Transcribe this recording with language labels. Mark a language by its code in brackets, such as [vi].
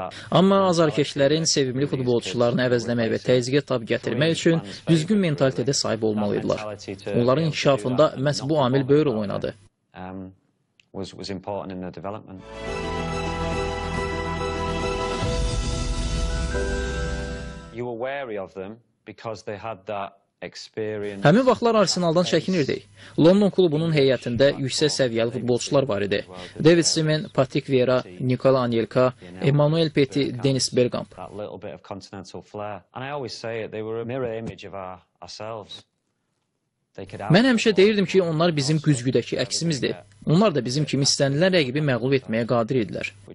[az] Amma azarkeşlərin sevimli futbolçularını əvəzləmək və təzyiqə tab gətirmək üçün düzgün mentalitetə sahib olmalıydılar. Onların inkişafında məhz bu amil böyük rol oynadı. [en] Was important in the development. You were wary of them because they had that experience. [az] Həmin vaxtlar Arsenaldan çəkinirdik. London klubunun heyətində yüksək səviyyəli futbolçular var idi. David Simon, Patrick Vieira, Nicola Anelka, Emmanuel Petit, Dennis Bergkamp. [en] That little bit of continental flair. And I always say it, they were a mirror image of ourselves. [az] Mən həmişə deyirdim ki, onlar bizim güzgüdəki əksimizdir. Onlar da bizim kimi istənilən rəqibi məğlub etməyə qadir idilər.